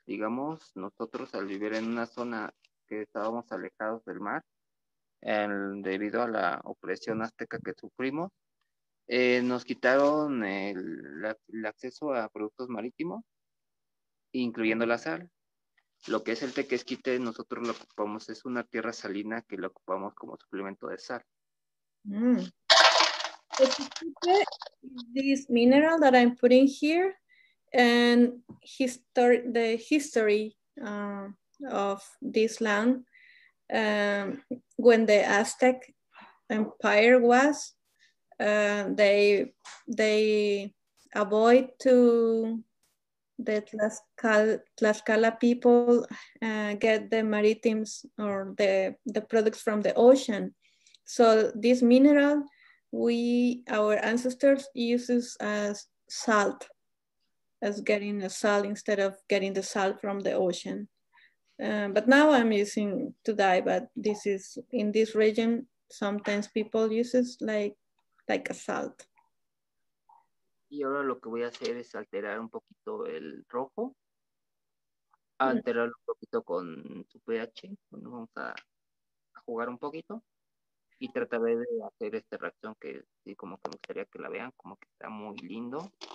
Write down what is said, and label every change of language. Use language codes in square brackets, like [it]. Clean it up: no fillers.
[es] Digamos, nosotros al vivir en una zona que estábamos alejados del mar, debido a la opresión azteca que sufrimos, nos quitaron el acceso a productos marítimos, incluyendo la sal. Lo que es el tequesquite, nosotros lo ocupamos, es una tierra salina que lo ocupamos como suplemento de sal. [en] Tequesquite is this mineral that I'm putting here, and the history of this land, when the Aztec Empire was, they avoid to the Tlaxcala people get the maritimes or the products from the ocean. So this mineral, our ancestors uses as salt, as getting the salt instead of getting the salt from the ocean. But now I'm using to dye, but this is in this region, sometimes people uses like a salt. [es] Y ahora lo que voy a hacer es alterar un poquito el rojo, alterarlo un poquito con su pH. Bueno, vamos a jugar un poquito y tratar de hacer esta reacción que sí, como que me gustaría que la vean, como que está muy lindo.